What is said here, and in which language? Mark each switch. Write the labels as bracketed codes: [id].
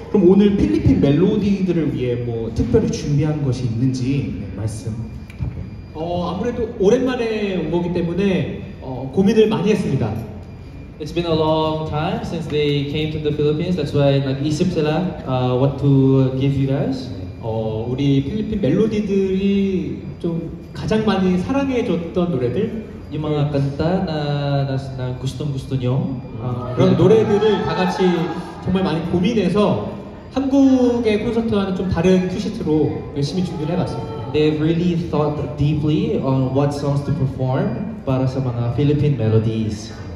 [ko] 그럼 오늘 필리핀 멜로디들을 위해 뭐 특별히 준비한 것이 있는지 말씀 답변. 아무래도 오랜만에 온 거기 때문에 고민을 많이 했습니다. [en] It's been a long time since they came to the Philippines. That's why 20 sila what to give you guys. [ko] 우리 필리핀 멜로디들이 좀 가장 많이 사랑해 줬던 노래들 [tl] 이 mga kanta na gustong-gusto nyo [ko] 그런 노래들을 다 같이 정말 많이 고민해서 한국의 콘서트와는 좀 다른 큐시트로 열심히 준비를 해봤습니다. [en] They've really thought deeply on what songs to perform [tl] para sa mga [en] Philippine melodies.